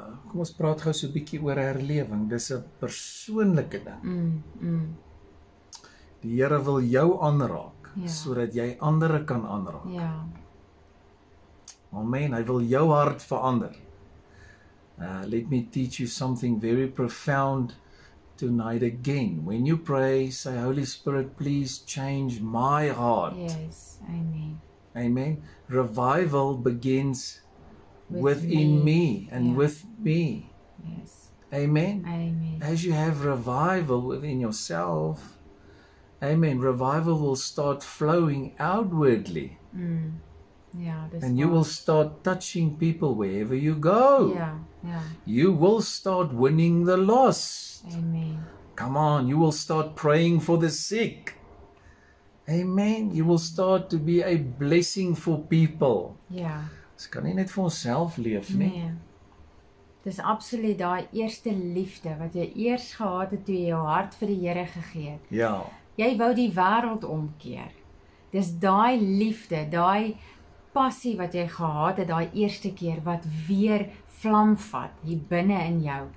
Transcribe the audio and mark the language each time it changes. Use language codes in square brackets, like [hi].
[af] Kom ons praat gou so 'n bietjie oor herlewing. Dis 'n persoonlike ding. Die Here wil jou aanraak sodat jy ander kan aanraak. Ja. Amen. Hy wil jou hart verander. [en] Let me teach you something very profound tonight again. When you pray, say, Holy Spirit, please change my heart. Yes, amen. Amen. Revival begins within me. Yes. Amen. Amen. As you have revival within yourself, amen, revival will start flowing outwardly. And you will start touching people wherever you go. You will start winning the lost. Amen. Come on, you will start praying for the sick. Amen. You will start to be a blessing for people. [af] Ja. Ons kan nie net vir onsself leef nie. Nee. Dis absoluut daai eerste liefde wat jy eers gehad het toe jy jou hart vir die Here gegee het. Ja. Jy wou die wêreld omkeer. Dis daai liefde, daai passie wat jy gehad het daai eerste keer wat weer vlam vat hier binne in jou.